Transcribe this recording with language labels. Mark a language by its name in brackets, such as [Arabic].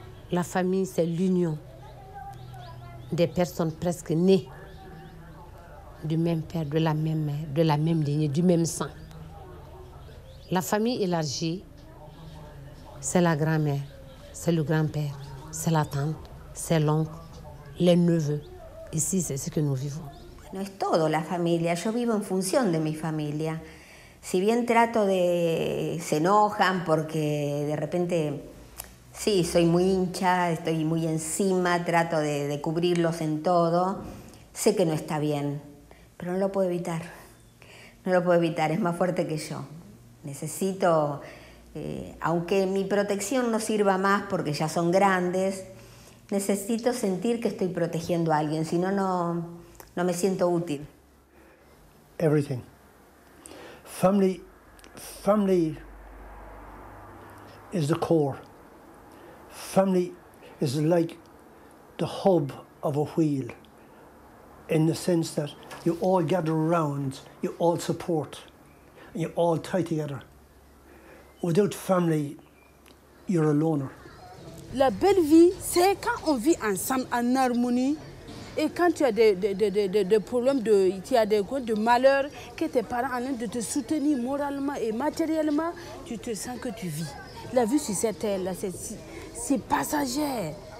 [French] La famille, c'est l'union des personnes presque nées du même père, de la même mère, de la même lignée, du même sang. La famille élargie, c'est la grand-mère, c'est le grand-père, c'est la tante, c'est l'oncle, les neveux. Ici, c'est ce que nous vivons. [Spanish] No es todo la familia, yo vivo en función de mi familia. Si bien trato de... se enojan porque de repente... Sí, soy muy hincha, estoy muy encima, trato de cubrirlos en todo. Sé que no está bien, pero no lo puedo evitar. No lo puedo evitar, es más fuerte que yo. Necesito, aunque mi protección no sirva más porque ya son grandes, necesito sentir que estoy protegiendo a alguien, si no, no me siento útil. [English] Everything. Family, family is the core. Family is like the hub of a wheel, in the sense that you all gather around, you all support, and you all tie together. Without family, you're a loner. [French] La belle vie, c'est quand on vit ensemble en harmonie. Et quand tu as des problèmes, tu as des malheurs, que tes parents en train de te soutenir moralement et matériellement, tu te sens que tu vis. La vie sur cette terre-là, c'est passagère.